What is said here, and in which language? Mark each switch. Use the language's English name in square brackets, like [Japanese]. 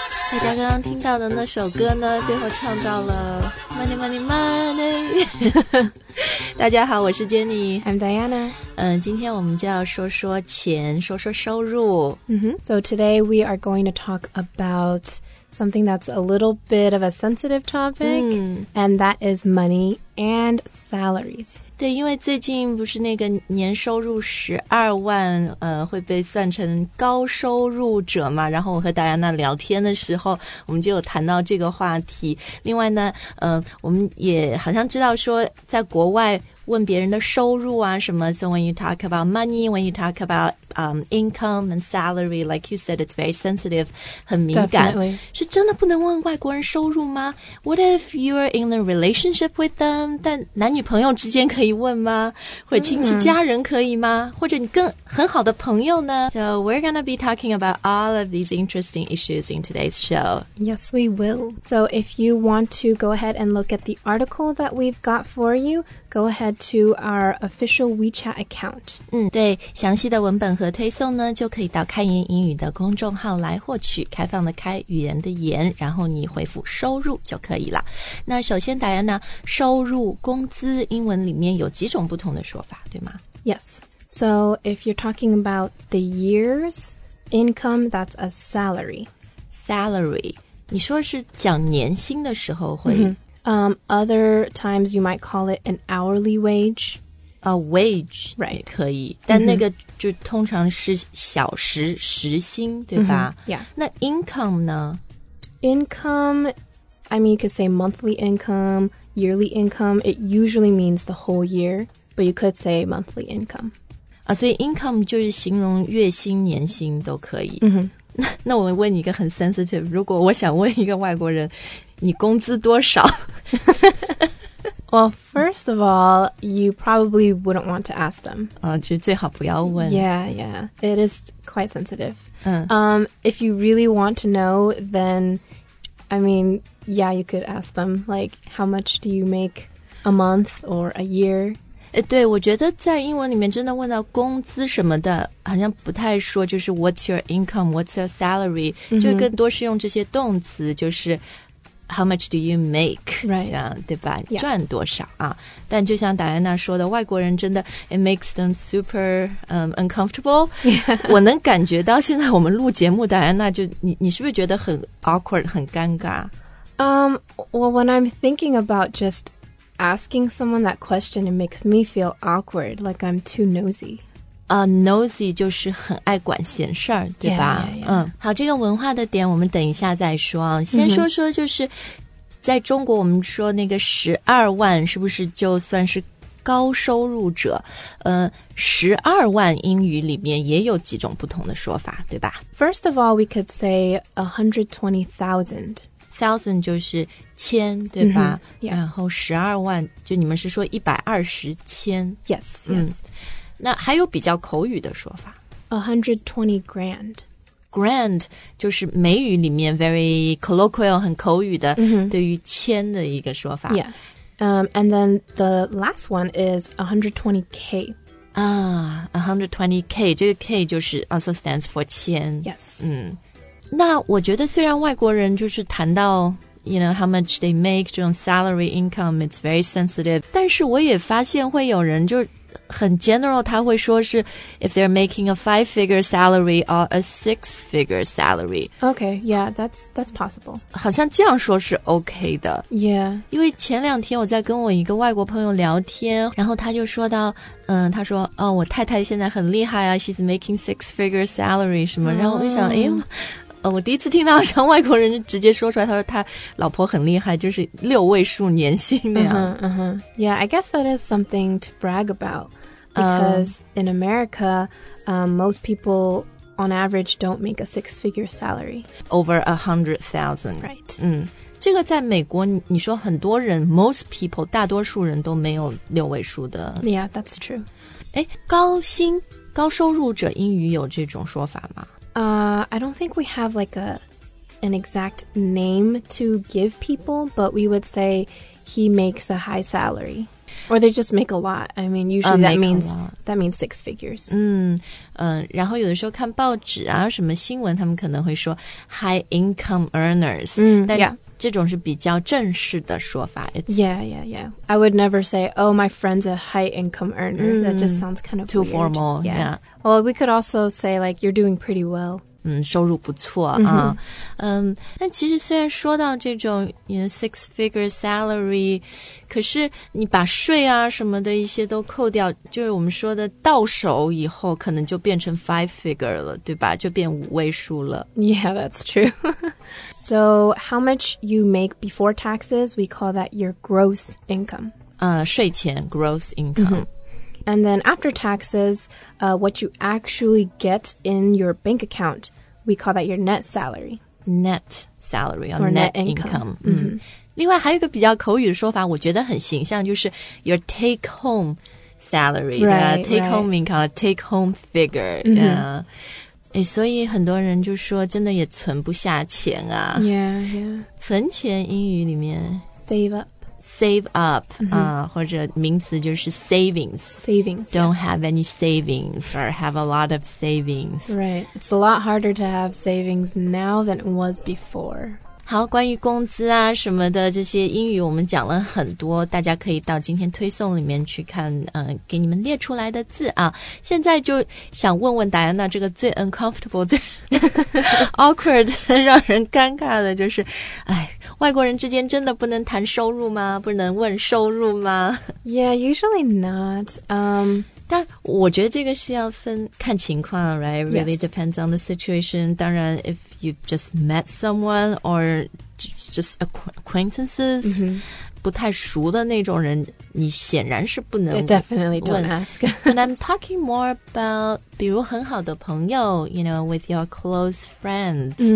[Chinese] 大家刚刚听到的那首歌呢，最后唱到了 [English] money money money。 [Chinese] 大家好，我是 Jenny， [English] I'm Diana。 [Chinese] 今天我们就要说说钱，说说收入。 [English] So today we are going to talk about something that's a little bit of a sensitive topic,and that is money and salaries. [Chinese] 对，因为最近不是那个年收入12万，会被算成高收入者嘛？然后我和 Diana 聊天的时候，我们就有谈到这个话题。另外呢，我们也好像知道说，在国外问别人的收入啊什么， [English] so when you talk about money, when you talk about income and salary, like you said, it's very sensitive, [Chinese] 很敏感。 [English] Definitely. [Chinese] 是真的不能问外国人收入吗？ [English] What if you're in a relationship with them? [Chinese] 但男女朋友之间可以问吗？或者亲戚家人可以吗？或者你更很好的朋友呢？ [English] So we're going to be talking about all of these interesting issues in today's show. Yes, we will. So if you want to go ahead and look at the article that we've got for you, go aheadto our official WeChat account. [Chinese] 对，详细的文本和推送呢，就可以到开言英语的公众号来获取，开放的开，语言的言，然后你回复收入就可以了。那首先Diana，收入，工资，英文里面有几种不同的说法，对吗？ [English] Yes. So if you're talking about the year's income, that's a salary. Salary. [Chinese] 你说是讲年薪的时候会、 mm-hmm. [English] Other times you might call it an hourly wage. A wage, right? [Chinese] 可以，但那个就通常是小时时薪，对吧？ [English] Yeah. [Chinese] 那 income 呢？ [English] Income, I mean, you could say monthly income, yearly income. It usually means the whole year, but you could say monthly income. [Chinese] 啊，所以 income 就是形容月薪、年薪都可以。那我问你一个很 sensitive， 如果我想问一个外国人。你工资多少? [English] Well, first of all, you probably wouldn't want to ask them. [Chinese] 就最好不要问。 [English] Yeah, yeah. It is quite sensitive. 嗯。 If you really want to know, then, I mean, yeah, you could ask them, like, how much do you make a month or a year? [Chinese] 对，我觉得在英文里面真的问到工资什么的好像不太说就是 [English] what's your income, what's your salary, [Chinese] 就更多是用这些动词就是 [English] How much do you make? Right. [Chinese] 这样对吧、 [English] yeah. [Chinese] 赚多少啊。但就像达安娜说的外国人真的 [English] it makes them super uncomfortable.、 Yeah. [Chinese] 我能感觉到现在我们录节目达安娜就 你是不是觉得很 awkward, 很尴尬 [English] Well, when I'm thinking about just asking someone that question, it makes me feel awkward, like I'm too nosy. [Chinese] Nosy 就是很爱管闲事儿，对吧？ [English] Yeah, yeah, yeah. [Chinese] 好，这个文化的点我们等一下再说啊。先说说就是、在中国我们说那个十二万是不是就算是高收入者？十二万英语里面也有几种不同的说法，对吧 [English] ？First of all, we could say 120,000. [Chinese] Thousand 就是千，对吧？ [English] Yeah. [Chinese] 然后十二万就你们是说120,000 [English] ？Yes. Yes.、 [Chinese] 那还有比较口语的说法 [English] 120 grand. [Chinese] Grand 就是美语里面 [English] very colloquial [Chinese] 很口语的、对于千的一个说法 [English] Yes. And then the last one is 120k. [Chinese] 啊 120k 这个 k 就是 [English] also stands for [Chinese] 千 [English] Yes. [Chinese] 那我觉得虽然外国人就是谈到 [English] You know, how much they make, 这种 salary income, it's very sensitive. [Chinese] 但是我也发现会有人就很 [English] general, [Chinese] 他会说是 [English] if they're making a five-figure salary or a six-figure salary. Okay, yeah, that's possible. [Chinese] 好像这样说是 okay 的。 [English] Yeah. [Chinese] 因为前两天我在跟我一个外国朋友聊天然后他就说到他说哦我太太现在很厉害啊 [English] she's making six-figure salary [Chinese] 什么然后我就想、我第一次听到像外国人直接说出来他说他老婆很厉害就是六位数年薪那样 [English] Yeah, I guess that is something to brag about because in America, most people on average don't make a six-figure salary. Over 100,000. Right. [Chinese] 这个在美国你说很多人 [English] most people, [Chinese] 大多数人都没有六位数的 [English] Yeah, that's true. [Chinese] 高薪高收入者英语有这种说法吗 [English] I don't think we have like a an exact name to give people, but we would say he makes a high salary. Or they just make a lot. I mean, usually that means six figures. [Chinese] 然后有的时候看报纸啊什么新闻他们可能会说 [English] high income earners. [Chinese] 这种是比较正式的说法。 [English] Yeah. I would never say, oh, my friend's a high income earner. That just sounds kind of too formal. Yeah. Well, we could also say like, you're doing pretty well. [Chinese] 收入不错啊。那其实虽然说到这种 [English] you know, six figure salary, [Chinese] 可是你把税啊什么的一些都扣掉就是我们说的到手以后可能就变成 five figure 了对吧就变五位数了。 [English] Yeah, that's true. So how much you make before taxes, we call that your gross income. [Chinese] 税前 gross income. [English] And then after taxes, what you actually get in your bank account, we call that your net salary. Net salary, or net income. Mm-hmm. [Chinese] 另外还有一个比较口语的说法我觉得很形象就是 [English] your take home salary. Right, take home income, take home figure. Mm-hmm. Yeah. [Chinese] 所以很多人就说真的也存不下钱啊。 [English] Yeah. [Chinese] 存钱英语里面。 [English] Save up, [Chinese] 或者名词就是 savings. [English] Savings, Don't yes. have any savings or have a lot of savings. Right. It's a lot harder to have savings now than it was before. [Chinese] 好关于工资啊什么的这些英语我们讲了很多大家可以到今天推送里面去看给你们列出来的字啊。现在就想问问戴安娜这个最 uncomfortable, 最awkward, 让人尴尬的就是哎。外国人之间真的不能谈收入吗？不能问收入吗？ [English] Yeah, usually not. [Chinese] 但我觉得这个是要分看情况 right? [English] Really yes. depends on the situation. 当然 if you've just met someone or just acquaintances,、 [Chinese] 不太熟的那种人你显然是不能问。 [English] I definitely don't ask. And I'm talking more about [Chinese] 比如很好的朋友 [English] you know, with your close friends.、